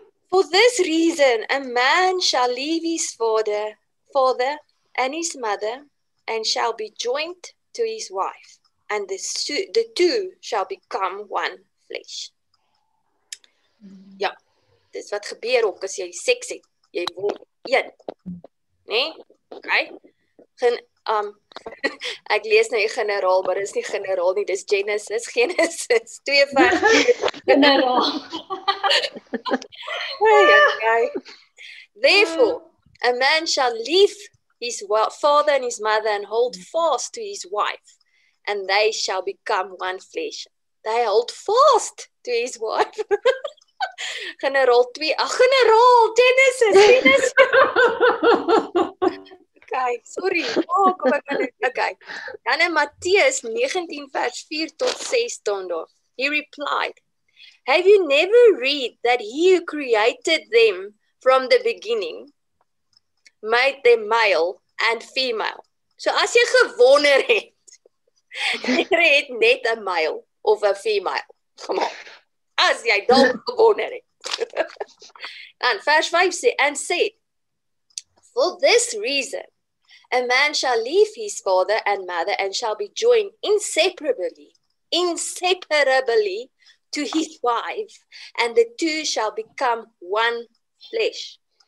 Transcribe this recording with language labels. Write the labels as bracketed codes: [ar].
[en] For this reason, a man shall leave his father and his mother, and shall be joined to his wife, and the two shall become one flesh. [af] Ja, dis wat gebeur ook as jy seks het, jy word een. Nee? Okay. ek lees nou die generaal, maar dis nie generaal nie, dis Genesis 2:5. Generaal. Okay. [en] Therefore, a man shall leave his father and his mother and hold fast to his wife, and they shall become one flesh. They hold fast to his wife. [af] Generaal 2, generaal, Genesis. Okay, sorry. Oh, kom ek aan dit. Okay. Dan in Matteus 19 vers 4 tot 6 staan daar. [en] He replied, have you never read that he who created them from the beginning made them male and female. [af] So as jy gewonder het, Jy het net een mile of een female gemaakt. As jy dalk gewonder het. Dan vers 5 sê, [en] and said, for this reason, a man shall leave his father and mother and shall be joined inseparably to his wife, and the two shall become one flesh.